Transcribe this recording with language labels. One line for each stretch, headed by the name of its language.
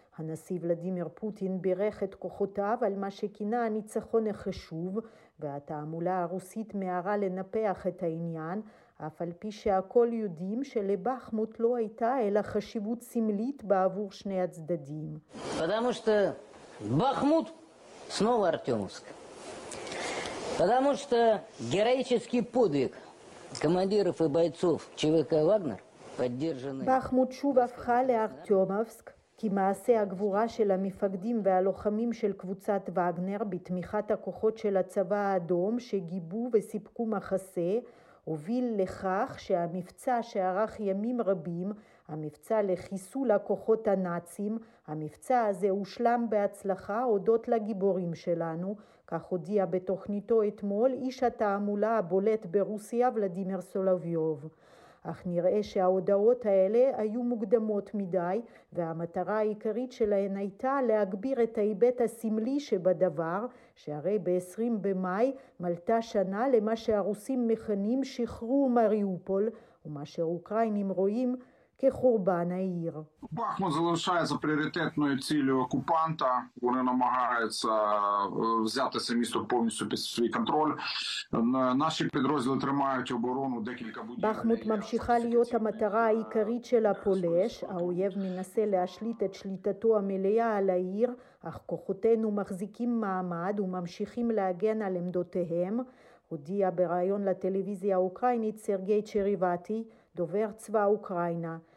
Hebrew: הנשיא ולדימיר פוטין בירך את כוחותיו על מה שכינה הניצחון החשוב, והתעמולה הרוסית מערה לנפח את העניין, אף על פי שהכל יודעים שלבחמות לא הייתה אלא חשיבות סמלית בעבור שני הצדדים. אדם שאתה בחמות סנוב ארטיומסק.
Russian: Потому что героический подвиг командиров и бойцов ЧВК «Вагнер» поддержаны...
Hebrew: Бахмут שוב הפכה לארטיומבסק, כי מעשה הגבורה של המפקדים והלוחמים של קבוצת וגנר בתמיכת הכוחות של הצבא האדום שגיבו וסיפקו מחסה, הוביל לכך שהמבצע שערך ימים רבים, המבצע לחיסול הכוחות הנאצים, המבצע הזה הושלם בהצלחה הודות לגיבורים שלנו, כך הודיע בתוכניתו אתמול איש התעמולה הבולט ברוסיה ולדימיר סולוביוב. אך נראה שההודעות האלה היו מוקדמות מדי, והמטרה העיקרית שלהן הייתה להגביר את ההיבט הסמלי שבדבר, שהרי ב-20 במאי מלטה שנה למה שהרוסים מכנים שחרור מריופול, ומה שאוקראינים רואים כחורבן העיר.
Ukrainian: בחמות залишається пріоритетною цілею окупанта. Вони намагаються взяти це місто повністю під свій контроль. Наші підрозділи тримають оборону декілька будівель.
Hebrew: בחמות ממשיכה להיות המטרה העיקרית של הפולש. האויב מנסה להשליט את שליטתו המלאה על העיר, אך כוחותינו מחזיקים מעמד וממשיכים להגן על עמדותיהם, הודיע ברעיון לטלוויזיה האוקראינית סרגי צ'ריבטי, דובר צבא אוקראינה.